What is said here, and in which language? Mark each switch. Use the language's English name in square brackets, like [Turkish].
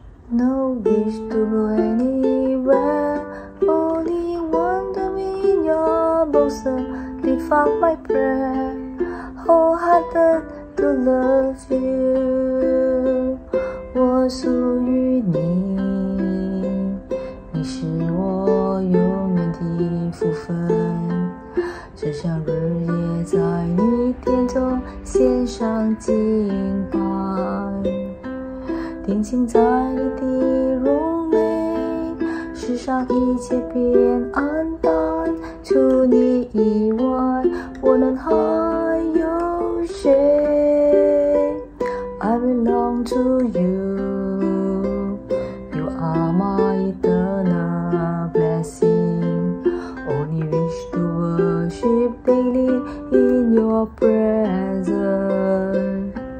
[English] No wish to go anywhere, only want to be in your bosom. Lift up my prayer, wholehearted to love you. [Chinese] 我属于你，你是我永远的福分，只想日夜在你殿中献上敬拜，定睛在你的容美，世上一切变黯淡，除你以外，我能还有谁？ [English] I belong to you, you are my eternal blessing. Only wish to worship daily in your presence.